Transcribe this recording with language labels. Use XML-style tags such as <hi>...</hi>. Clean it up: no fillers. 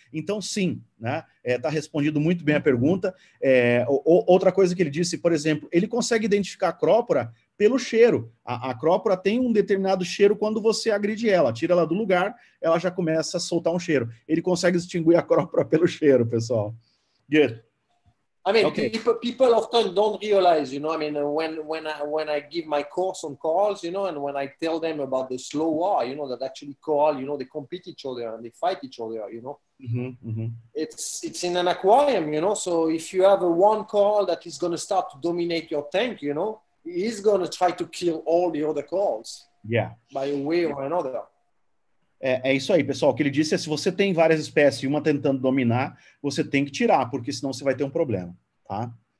<pt>Então, sim, né? Está respondido muito bem a pergunta. Outra coisa que ele disse, por exemplo, ele consegue identificar a acrópora pelo cheiro. A acrópora tem um determinado cheiro quando você agride ela. Tira ela do lugar, ela já começa a soltar um cheiro. Ele consegue distinguir a acrópora pelo cheiro, pessoal.</pt> <en>Good. I mean, okay. People often don't realize, you know, I mean, when I give my course on corals, you know, and when I tell them about the slow war, you know, that actually coral, you know, they compete each other and they fight each other, you know, it's in an aquarium, you know, so if you have one coral that is going to start to dominate your tank, you know, he's going to try to kill all the other corals. Yeah. By a way or another.</en> <pt>É isso aí, pessoal. O que ele disse é, se você tem várias espécies e uma tentando dominar, você tem que tirar, porque senão você vai ter um problema, tá?</pt>